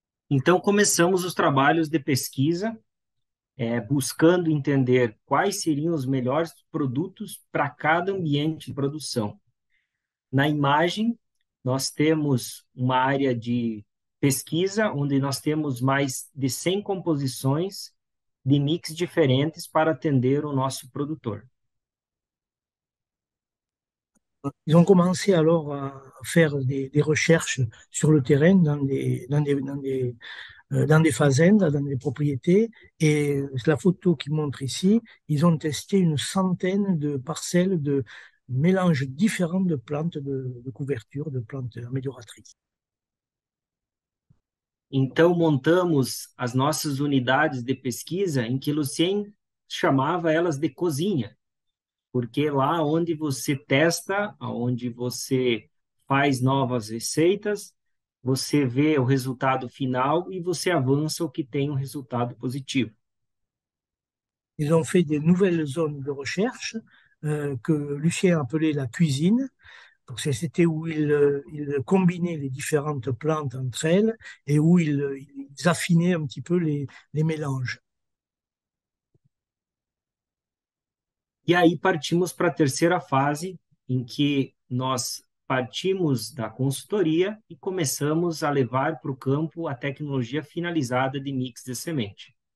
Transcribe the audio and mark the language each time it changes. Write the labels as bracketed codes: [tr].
[pt] Então, começamos os trabalhos de pesquisa, buscando entender quais seriam os melhores produtos para cada ambiente de produção. Na imagem, nós temos uma área de pesquisa, onde nós temos mais de 100 composições de mix diferentes para atender o nosso produtor. [fr] Ils ont commencé alors à faire des recherches sur le terrain dans des fazendas, dans des propriétés. Et c'est la photo qui montre ici. Ils ont testé une centaine de parcelles de mélanges différents de plantes de couverture, de plantes amélioratrices. [pt] Então, montamos as nossas unidades de pesquisa em que Lucien chamava elas de cozinha, porque lá onde você testa, onde você faz novas receitas, você vê o resultado final e você avança o que tem um resultado positivo. [fr] Ils ont fait des nouvelles zones de recherche que Lucien appelait la cuisine. C'était où il combinait les différentes plantes entre elles et où il affinait un petit peu les mélanges. [pt] E aí partimos para a terceira fase, em que nós partimos da consultoria e começamos a levar para o campo a tecnologia finalizada de mix de semente.